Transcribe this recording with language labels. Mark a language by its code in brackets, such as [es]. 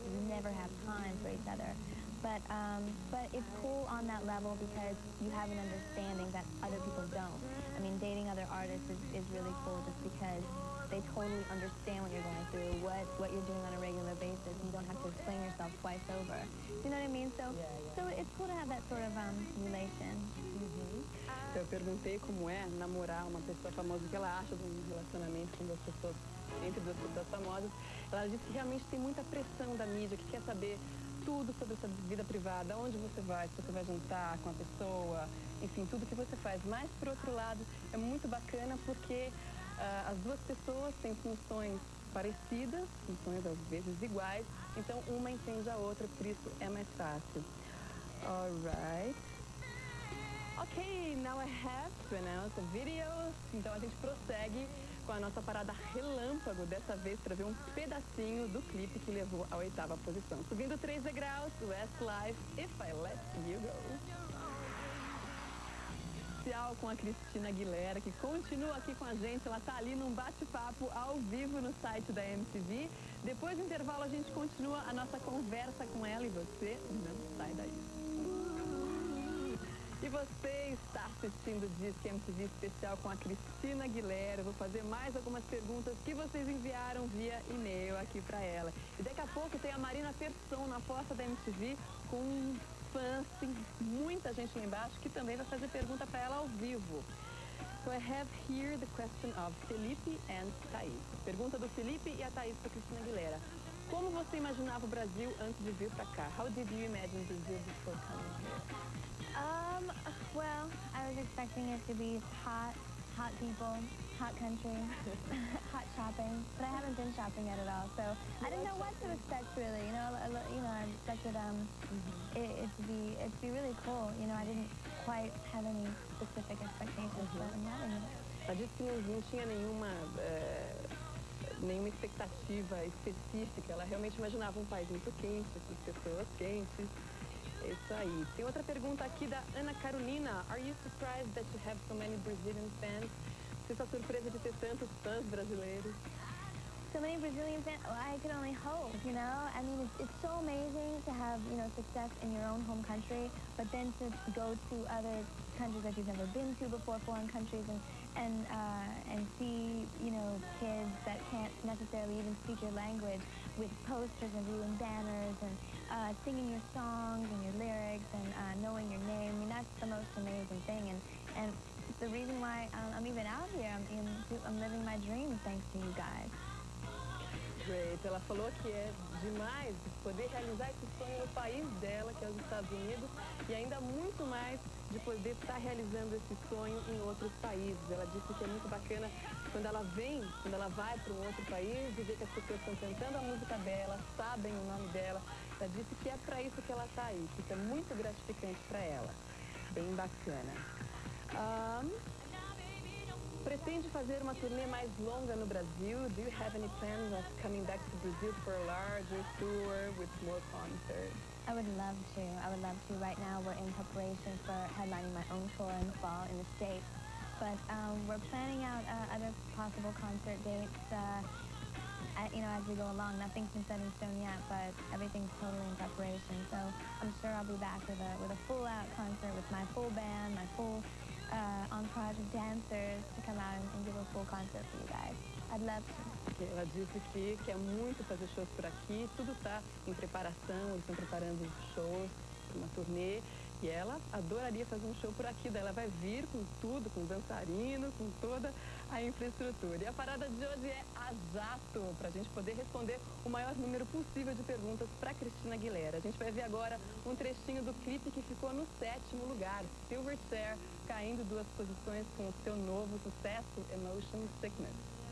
[en] So you never have time for each other. But it's cool on that level because you have an understanding that other people don't. I mean, dating other artists is really cool just because they totally understand what you're going through, what you're doing on a regular basis. You don't have to explain yourself twice over. You know what I mean? So yeah. So it's cool to have that sort of relation. Mm-hmm. [pt] Eu perguntei como é namorar uma pessoa famosa, o que ela acha de um relacionamento com duas pessoas, entre duas pessoas famosas. Ela disse que realmente tem muita pressão da mídia, que quer saber tudo sobre essa vida privada, onde você vai, se você vai juntar com a pessoa, enfim, tudo que você faz. Mas, por outro lado, é muito bacana porque as duas pessoas têm funções parecidas, funções às vezes iguais, então uma entende a outra, por isso é mais fácil. [en] All right. Ok, now I have to announce the video. [pt] Então a gente prossegue com a nossa parada relâmpago, dessa vez para ver um pedacinho do clipe que levou à oitava posição. Subindo 3 degraus, Westlife, If I Let You Go. Especial com a Christina Aguilera, que continua aqui com a gente. Ela está ali num bate-papo ao vivo no site da MTV. Depois do intervalo, a gente continua a nossa conversa com ela e você não sai daí. E você está assistindo o Disque MTV Especial com a Christina Aguilera. Vou fazer mais algumas perguntas que vocês enviaram via e-mail aqui para ela. E daqui a pouco tem a Marina Persson na porta da MTV com fãs, tem muita gente lá embaixo que também vai fazer pergunta para ela ao vivo. [en] So I have here the question of Felipe and Thaís. [pt] Pergunta do Felipe e a Thaís para a Christina Aguilera. Como você imaginava o Brasil antes de vir para cá? [en] How did you imagine Brazil before coming here? Well, I was expecting it to be hot, hot people, hot country, hot shopping, but I haven't been shopping yet at all, so I didn't know what to expect, really. I expected it to be really cool. You know, I didn't quite have any specific expectations, but I'm having it. [pt] Ela disse que não tinha nenhuma expectativa específica. Ela realmente imaginava país muito quente, com pessoas quentes. Isso aí. Tem outra pergunta aqui da Ana Carolina. [en] Are you surprised that you have so many Brazilian fans? [pt] Você está surpresa de ter tantos fãs brasileiros? [en] So many Brazilian fans? Well, I can only hope, you know? I mean, it's so amazing to have, you know, success in your own home country, but then to go to other countries that you've never been to before, foreign countries, and see, you know, kids that can't necessarily even speak your language with posters and doing banners and singing your songs and your lyrics and knowing your name. I mean, that's the most amazing thing. And the reason why I'm even out here, I'm living my dream thanks to you guys. Great. [pt] Ela falou que é demais poder realizar esse sonho no país dela, que é os Estados Unidos, e ainda muito mais de poder estar realizando esse sonho em outros países. Ela disse que é muito bacana quando ela vai para um outro país e vê que as pessoas estão cantando a música dela, sabem o nome dela. Ela disse que é para isso que ela está aí, que isso é muito gratificante para ela. Bem bacana. Pretende fazer uma turnê mais longa no Brasil? [en] Do you have any plans of coming back to Brazil for a larger tour with more concerts? I would love to. I would love to. Right now we're in preparation for headlining my own tour in the fall in the States. But we're planning out other possible concert dates as we go along. Nothing's been set in stone yet, but everything's totally in preparation. So I'm sure I'll be back with a full-out concert with my full band, my full entourage of dancers to come out and give a full concert for you guys. I'd love to. [pt] Ela disse que quer muito fazer shows por aqui, tudo está em preparação, eles estão preparando shows, uma turnê, e ela adoraria fazer um show por aqui, daí ela vai vir com tudo, com dançarino, com toda a infraestrutura. E a parada de hoje é a Jato, para a gente poder responder o maior número possível de perguntas para Christina Aguilera. A gente vai ver agora um trechinho do clipe que ficou no sétimo lugar, Silverchair, caindo duas posições com o seu novo sucesso, Emotion Sickness.